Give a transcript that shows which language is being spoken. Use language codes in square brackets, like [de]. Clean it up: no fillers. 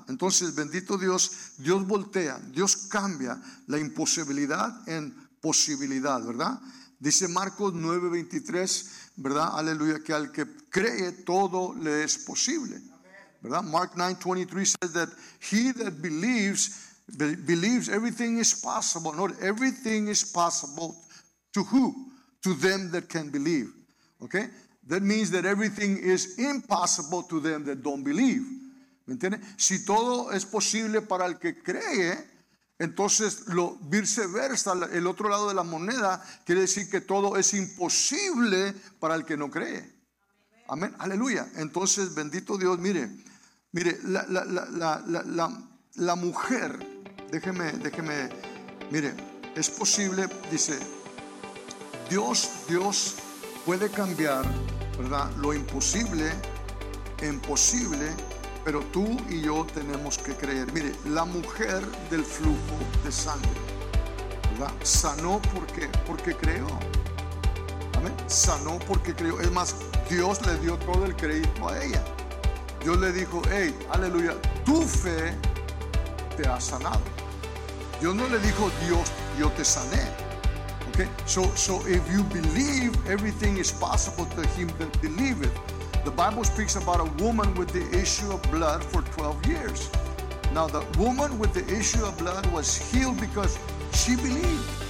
[es] Entonces, bendito Dios, Dios voltea, Dios cambia la imposibilidad en posibilidad, ¿verdad? Dice Marcos 9:23, ¿verdad? Aleluya, que al que cree todo le es posible, ¿verdad? [en] Mark 9:23 says that he that believes, believes everything is possible. Not everything is possible to who? To them that can believe. Okay? That means that everything is impossible to them that don't believe. [es] ¿Me entiendes? Si todo es posible para el que cree, entonces lo viceversa, el otro lado de la moneda, quiere decir que todo es imposible para el que no cree. Amén. Aleluya. Entonces, bendito Dios, mire, mire, la mujer, déjeme, mire, es posible, dice, Dios puede cambiar, ¿verdad? Lo imposible en posible, pero tú y yo tenemos que creer. Mire, la mujer del flujo de sangre, ¿verdad? Sanó porque, porque creyó. Amén. Sanó porque creyó. Es más, Dios le dio todo el crédito a ella. Dios le dijo, hey, aleluya, tu fe te ha sanado. Dios no le dijo, Dios, yo te sané. [en] Okay? So if you believe, everything is possible to him that believeth. The Bible speaks about a woman with the issue of blood for 12 years. Now the woman with the issue of blood was healed because she believed.